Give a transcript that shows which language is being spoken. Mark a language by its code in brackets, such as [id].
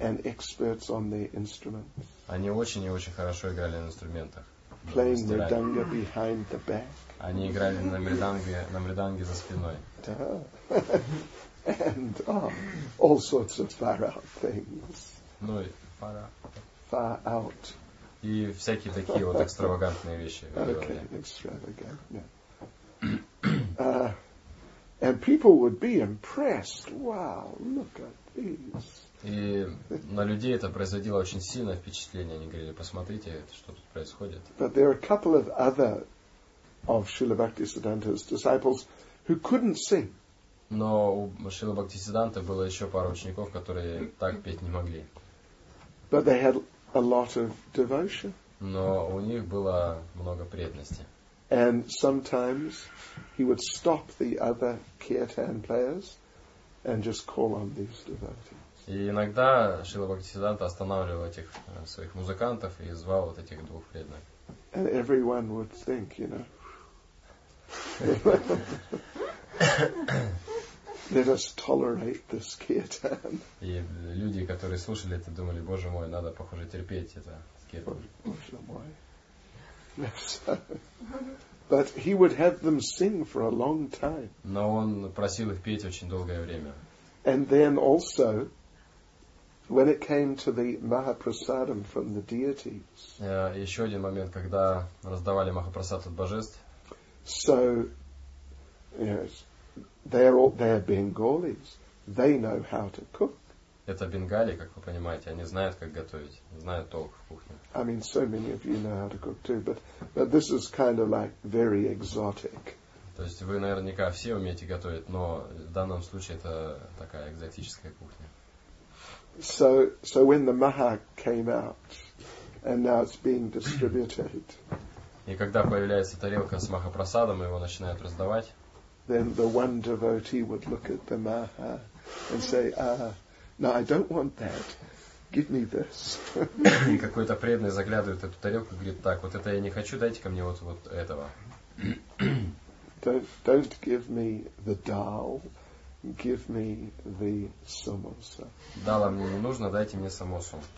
[en] And experts on their instruments. [ru] Они очень и очень хорошо играли на инструментах. [en] Playing mridanga behind the back. [ru] Они играли на мриданге за спиной. [en] And all sorts of far out things. [ru] Ну и [en] far out. [ru] И всякие такие вот экстравагантные вещи. [en] Okay, extravagant. And people would be impressed. Wow, look at these. [ru] И на людей это производило очень сильное впечатление. Они говорили: посмотрите, что тут происходит. [en] But there are a couple of other of Srila Bhaktisiddhanta's disciples who couldn't sing. [ru] Но у Шрилы Бхактисиддханты было еще пару учеников, которые так петь не могли. [en] But they had a lot of devotion. [ru] Но у них было много преданности. [en] And sometimes he would stop the other kirtan players and just call on these devotees. [ru] И иногда Шрила Бхактисиддханта останавливал этих своих музыкантов и звал вот этих двух преданных. [en] And everyone would think, you know, let us tolerate this kirtan. [ru] И люди, которые слушали это, думали: боже мой, надо, похоже, терпеть это киртан. Боже мой. [en] But he would have them sing for a long time. [ru] Но он просил их петь очень долгое время. [en] And then also, when it came to the Mahaprasadam from the deities. [ru] Еще один момент, когда раздавали Махапрасад от божеств. [en] So, yes, they are Bengalis. They know how to cook. [ru] Это бенгали, как вы понимаете, они знают, как готовить, знают толк в кухне. [en] I mean, so many of you know how to cook too, but this is kind of like very exotic. [ru] То есть вы наверняка все умеете готовить, но в данном случае это такая экзотическая кухня. [en] So when the maha came out, and now it's being distributed. [ru] И когда появляется тарелка с Махапрасадом, его начинают раздавать. [en] Then the one devotee would look at the Maha and say, no, I don't want that. Give me this. [ru] И какой-то преданный заглядывает в эту тарелку и говорит, так, вот это я не хочу, дайте-ка мне вот, вот этого. [en] Don't give me the dal, give me the samosa. [ru] Дала мне не нужно, дайте мне самосу.